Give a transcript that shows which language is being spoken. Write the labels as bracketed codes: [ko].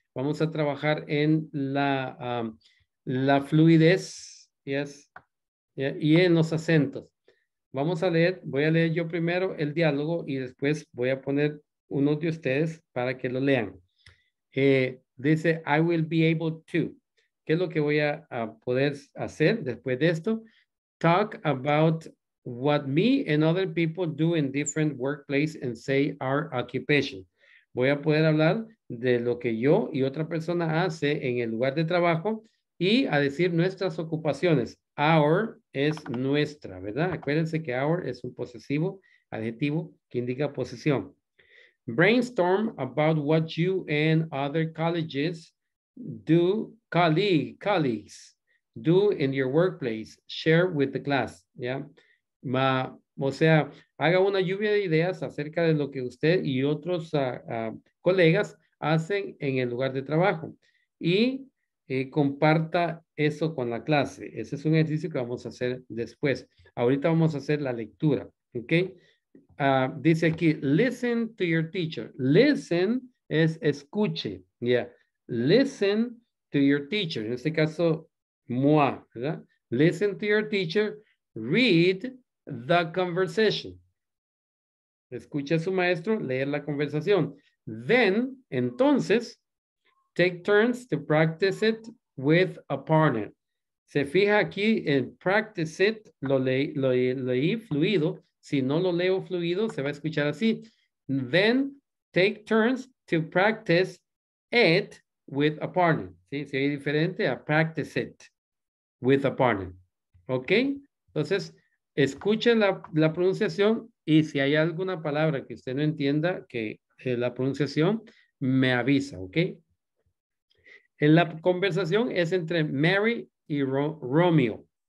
[es] Vamos a trabajar en la, la fluidez, [en] yes, [es] y en los acentos. Vamos a leer, voy a leer yo primero el diálogo y después voy a poner uno de ustedes para que lo lean. Dice, [en] I will be able to. [es] ¿Qué es lo que voy a poder hacer después de esto? [en] Talk about what me and other people do in different workplaces and say our occupation. [es] Voy a poder hablar de lo que yo y otra persona hace en el lugar de trabajo y a decir nuestras ocupaciones. Our es nuestra, ¿verdad? Acuérdense que our es un posesivo, adjetivo que indica posesión. [en] Brainstorm about what you and other colleges do, colleagues do in your workplace. Share with the class, [es] ¿ya? O sea, haga una lluvia de ideas acerca de lo que usted y otros colegas hacen en el lugar de trabajo y comparta eso con la clase. Ese es un ejercicio que vamos a hacer después. Ahorita vamos a hacer la lectura, ¿ok? Dice aquí, [en] listen to your teacher. Listen [es] es escuche, [en] yeah. Listen to your teacher. [es] En este caso, moi, ¿verdad? [en] Listen to your teacher. Read the conversation. [es] Escuche a su maestro leer la conversación. [en] Then, [es] entonces, [en] take turns to practice it with a partner. [es] Se fija aquí en [en] practice it, [es] lo leí fluido. Si no lo leo fluido, se va a escuchar así. [en] Then, take turns to practice it with a partner. [es] ¿Sí? Se oye diferente a [en] practice it with a partner. [es] ¿Ok? Entonces, escuche la pronunciación y si hay alguna palabra que usted no entienda, que la pronunciación, me avisa, ¿ok? En la conversación es entre Mary y Romeo.